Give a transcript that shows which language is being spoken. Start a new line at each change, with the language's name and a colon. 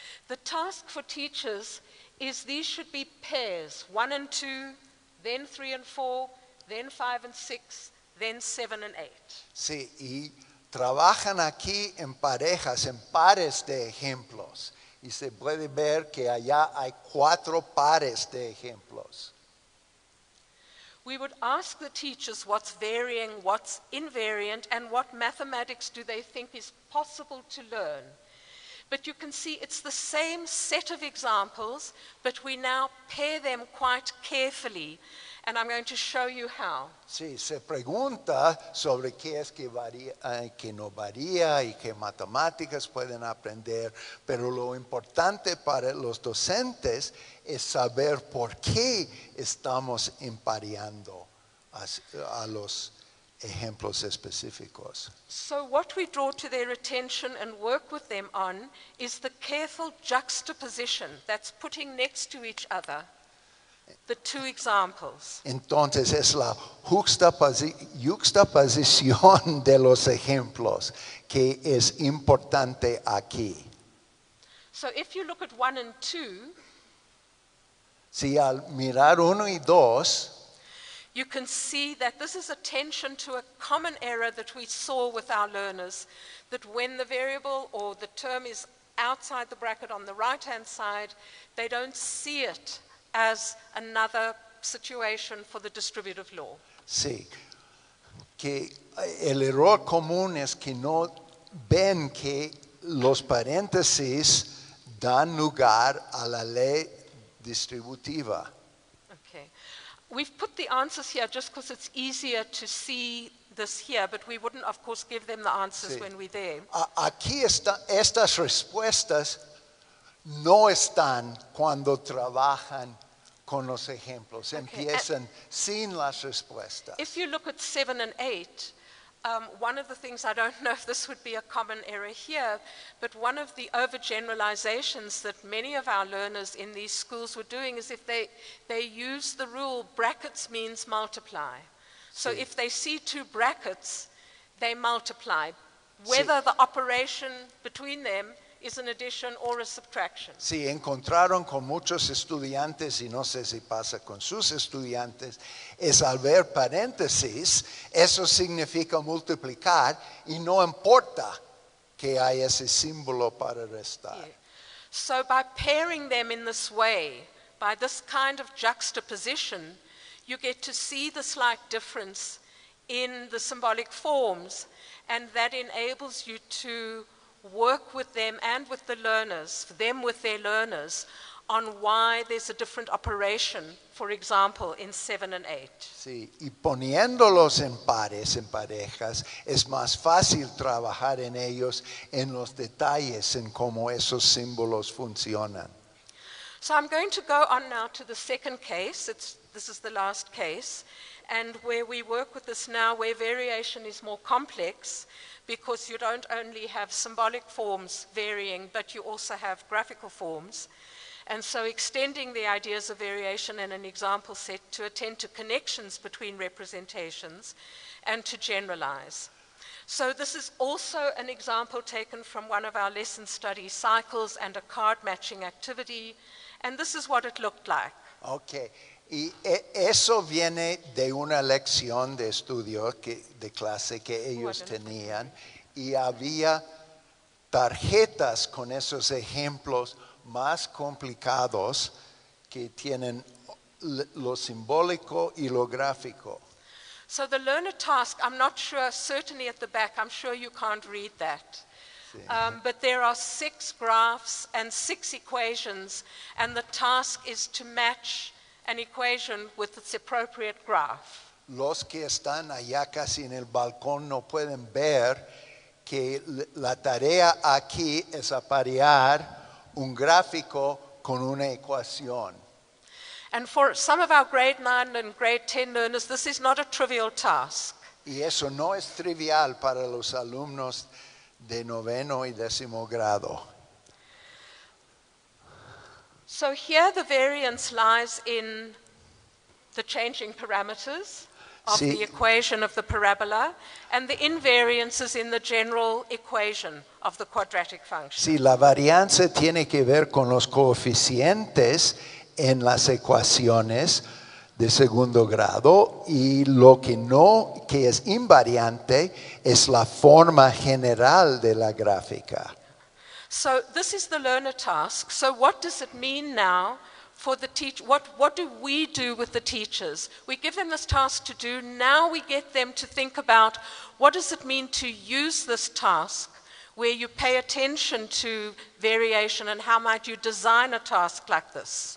English: The task for teachers is these should be pairs, 1 and 2, then 3 and 4, then 5 and 6, then 7 and 8.
Spanish: Sí, y trabajan aquí en parejas, en pares de ejemplos. Y se puede ver que allá hay 4 pares de ejemplos.
English: We would ask the teachers what's varying, what's invariant, and what mathematics do they think is possible to learn. But you can see it's the same set of examples, but we now pair them quite carefully, and I'm going to show you how.
Spanish: Sí, se pregunta sobre qué es que varía, que no varía y qué matemáticas pueden aprender, pero lo importante para los docentes es saber por qué estamos empareando a los ejemplos específicos.
English: So what we draw to their attention and work with them on is the careful juxtaposition, that's putting next to each other the two examples.
Spanish: Entonces es la juxtaposición de los ejemplos que es importante aquí.
English: So if you look at 1 and 2,
Spanish: si al mirar 1 y 2,
English: you can see that this is attention to a common error that we saw with our learners, that when the variable or the term is outside the bracket on the right-hand side, they don't see it as another situation for the distributive law.
Spanish: Sí, que el error común es que no ven que los paréntesis dan lugar a la ley distributiva.
English: Okay. We've put the answers here just because it's easier to see this here, but we wouldn't, of course, give them the answers
Spanish: sí.
English: When we're there.
Spanish: Aquí estas respuestas no están cuando trabajan con los ejemplos. Okay. Empiezan
English: and
Spanish: sin las respuestas.
English: If you look at 7 and 8, one of the things, I don't know if this would be a common error here, but one of the overgeneralizations that many of our learners in these schools were doing is if they use the rule brackets means multiply. So
Spanish: sí.
English: If they see 2 brackets, they multiply, whether
Spanish: sí.
English: The operation between them is an addition or a subtraction.
Spanish: Sí, encontraron con muchos estudiantes, y no sé si pasa con sus estudiantes, es al ver paréntesis, eso significa multiplicar, y no importa que haya ese símbolo para restar.
English: Yeah. So by pairing them in this way, by this kind of juxtaposition, you get to see the slight difference in the symbolic forms, and that enables you to work with them and with the learners, them with their learners, on why there's a different operation, for example, in 7 and 8.
Spanish: Sí, y poniéndolos en pares, en parejas, es más fácil trabajar en ellos, en los detalles, en cómo esos símbolos funcionan.
English: So I'm going to go on now to the second case. This is the last case, and where we work with this now, where variation is more complex, because you don't only have symbolic forms varying, but you also have graphical forms. And so extending the ideas of variation in an example set to attend to connections between representations and to generalize. So this is also an example taken from one of our lesson study cycles and a card matching activity, and this is what it looked like. Okay.
Spanish: Y eso viene de una lección de estudio que, de clase que ellos tenían, y había tarjetas con esos ejemplos más complicados que tienen lo simbólico y lo gráfico.
English: So the learner task, I'm not sure, certainly at the back, I'm sure you can't read that. But there are six graphs and six equations, and the task is to match an equation with its appropriate graph.
Spanish: Los que están allá casi en el balcón no pueden ver que la tarea aquí es aparear un gráfico con una ecuación.
English: And for some of our grade 9 and grade 10 learners, this is not a trivial task.
Spanish: Y eso no es trivial para los alumnos de noveno y décimo grado.
English: So here the variance lies in the changing parameters of
Spanish: sí.
English: The equation of the parabola, and the invariance is in the general equation of the quadratic function.
Spanish: Sí, la varianza tiene que ver con los coeficientes en las ecuaciones de segundo grado, y lo que no, que es invariante, es la forma general de la gráfica.
English: So this is the learner task. So what does it mean now for the teacher? What do we do with the teachers? We give them this task to do. Now we get them to think about what does it mean to use this task where you pay attention to variation, and how might you design a task like this?